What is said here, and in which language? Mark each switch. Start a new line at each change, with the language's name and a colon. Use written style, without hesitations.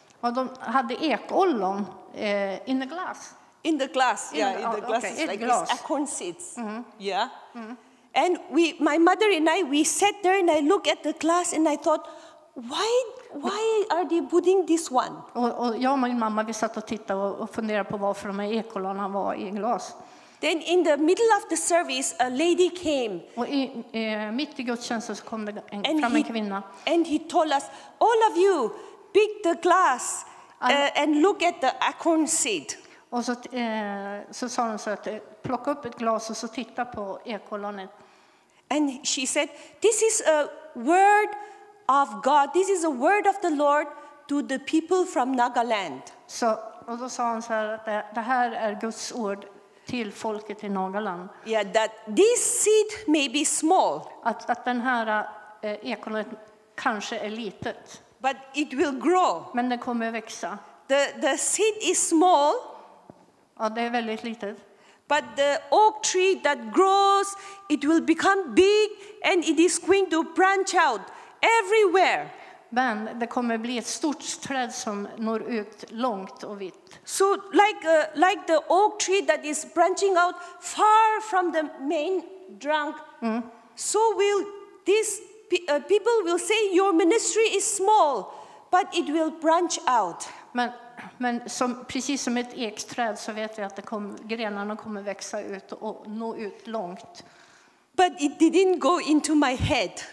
Swedish: Och de hade ekollon
English: in the glass. In the glass, in the glass, okay. Like glass. This, acorn seeds. Mm-hmm. Yeah. Mm-hmm. And my mother and I, we sat there and I looked at the glass and I thought, why are they putting this one?
Swedish: Och jag och min mamma, vi satt och tittade och funderade på varför de ekollonen var i en glas.
English: Then in the middle of the service, a lady came.
Swedish: Och mitt i gudstjänsten så kom fram en kvinna.
English: And he told us, all of you, pick the glass and look at the acorn seed.
Swedish: Och så sa hon så att plocka upp ett glas och så titta på ekollonet.
English: And she said, this is a word of God. This is a word of the Lord to the people from Nagaland.
Swedish: Så och då sa hon så här att det här är Guds ord till folket i Nagaland.
English: Yeah, that this seed may be small.
Swedish: Att den här ekollonet kanske är litet.
English: But it will grow.
Swedish: Men det kommer växa.
English: The seed is small.
Swedish: Ja, det är väldigt litet.
English: But the oak tree that grows, it will become big and it is going to branch out everywhere.
Swedish: Men det kommer bli ett stort träd som når ut långt och vitt.
English: So like the oak tree that is branching out far from the main trunk. Mm. So will these people will say your ministry is small, but it will branch out.
Swedish: Men som precis som ett ekträd så vet vi att grenarna kommer växa ut och nå ut långt.
English: But it didn't go into my head.